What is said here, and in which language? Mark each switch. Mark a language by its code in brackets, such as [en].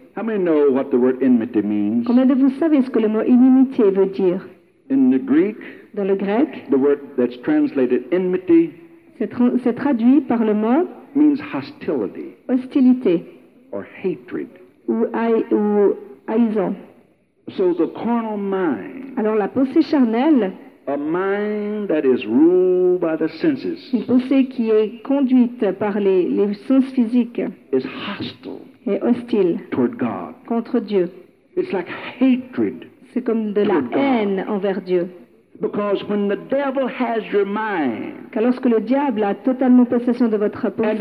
[en] How many know what the word enmity means? [fr] Combien de vous savez ce que le mot inimitié veut dire? [en] In the Greek. [fr] Dans le grec. [en] The word that's translated enmity. [fr] C'est traduit par le mot. [en] Means hostility. [fr] Hostilité. [en] Or hatred. [fr] Ou haïson. [en] So the carnal mind. [fr] Alors la pensée charnelle. [en] A mind that is ruled by the senses. [fr] Une pensée qui est conduite par les sens physiques. [en] Is hostile. [fr] Est hostile. [en] Toward God. [fr] Contre Dieu. [en] It's like hatred. [fr] C'est comme de la haine envers Dieu. [en] Because when the devil has your mind. [fr] Car lorsque le diable a totalement possession de votre pensée.